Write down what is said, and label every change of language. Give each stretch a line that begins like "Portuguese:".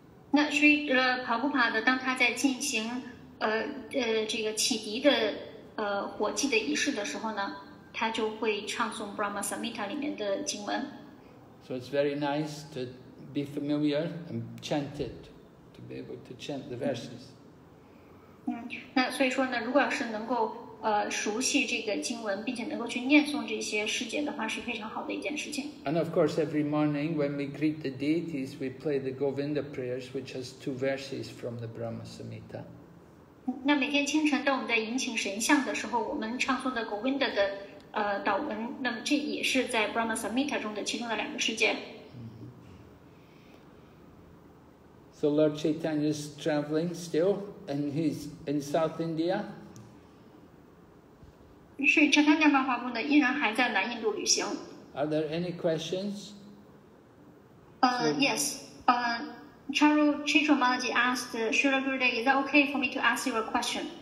Chinese: 那所以Prabhupada 当他在进行这个启迪的火祭的仪式的时候呢，他就会唱诵 Brahma Samhita 里面的经文。
English: So it's very nice to be familiar and chant it, to be able to chant the verses.
Chinese: 那所以说呢，如果要是能够熟悉这个经文，并且能够去念诵这些诗节的话，是非常好的一件事情。
English: And of course, every morning when we greet the deities, we play the Govinda prayers, which has two verses from the Brahma Samhita.
Chinese: 那每天清晨，当我们在迎请神像的时候，我们唱诵的 Govinda 的祷文，那么这也是在 Brahma Samhita 中的其中的两个诗节。
English: So Lord Chaitanya is traveling still, and he's in South India.
Chinese: 是查坦加玛哈布呢，依然还在南印度旅行。
English: Are there any questions? Yes. Charu Chitra Maharaj asked, Srila Gurudev, is that okay for me to ask you a question?